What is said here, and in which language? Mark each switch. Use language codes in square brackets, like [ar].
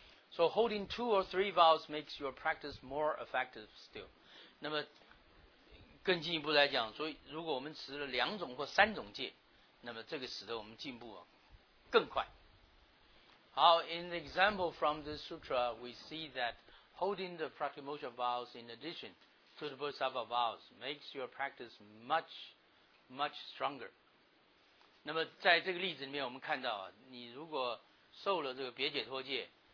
[en] So holding two or three vows makes your practice more effective still. [zh] 那么更进一步来讲，所以如果我们持了两种或三种戒，那么这个使得我们进步更快。 [en] 好 ，in the example from this sutra, we see that holding the pratimoksha vows in addition to the bodhisattva vows makes your practice much, much stronger. [zh] 那么在这个例子里面，我们看到、啊、你如果受了这个别解脱戒。